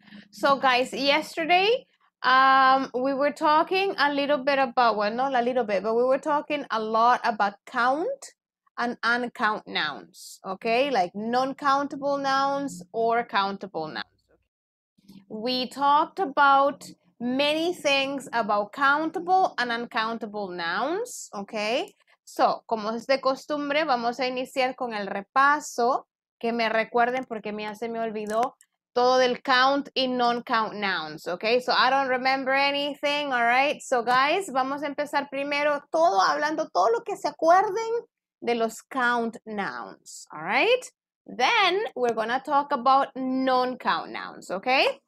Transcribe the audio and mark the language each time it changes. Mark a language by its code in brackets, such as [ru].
[en] So, guys, yesterday we were talking a little bit about, well, not a little bit, but we were talking a lot about count and uncount nouns, okay? Like non-countable nouns or countable nouns. Okay? We talked about many things about countable and uncountable nouns, okay? [es] So, como es de costumbre, vamos a iniciar con el repaso, que me recuerden porque ya se me olvidó. Todo del [en] count y non-count nouns, okay? So I don't remember anything, all right? So guys, [es] vamos a empezar primero todo hablando, todo lo que se acuerden de los count nouns, [en] all right? Then we're gonna talk about non-count nouns, okay?